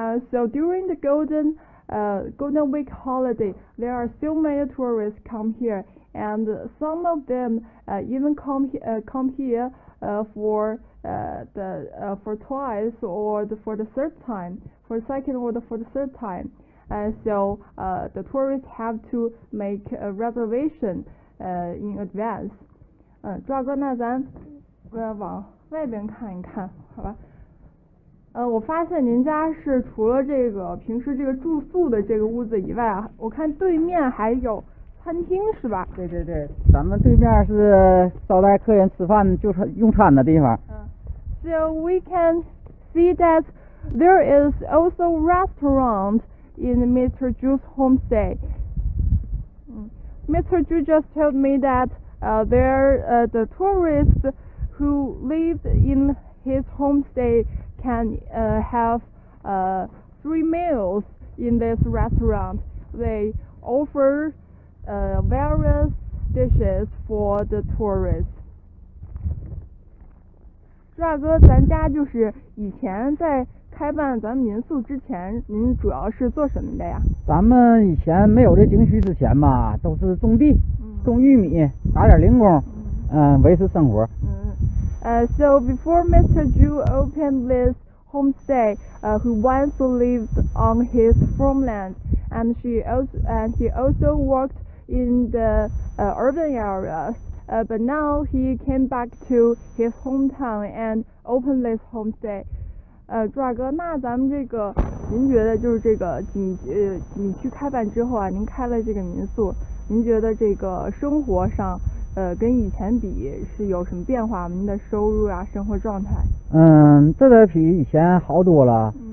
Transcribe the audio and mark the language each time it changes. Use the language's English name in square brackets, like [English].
[English] So during the Golden Week holiday, there are so many tourists come here, and some of them even come here for twice or for the third time. So the tourists have to make a reservation in advance. [Chinese] 朱大哥，那咱往外边看一看，好吧？我发现您家是除了这个平时这个住宿的这个屋子以外啊，我看对面还有餐厅是吧？对对对，咱们对面是招待客人吃饭就是用餐的地方。 [English] So we can see that there is also restaurant in Mr. Zhu's homestay. Mr. Zhu just told me that the tourists who lived in his homestay. can have three meals in this restaurant. They offer various dishes for the tourists. [Chinese] 朱大哥，咱家就是以前在开办咱民宿之前，您主要是做什么的呀？咱们以前没有这景区之前吧，都是种地、种玉米，打点零工，维持生活。 [English] So before Mr. Zhu opened this. Homestay, who once lived on his farmland, and he also worked in the urban areas. But now he came back to his hometown and opened this homestay. [Chinese] 朱大哥，那咱们这个，您觉得就是这个景区开办之后啊，您开了这个民宿，您觉得这个生活上？跟以前比是有什么变化？您的收入啊，生活状态？这得比以前好多了。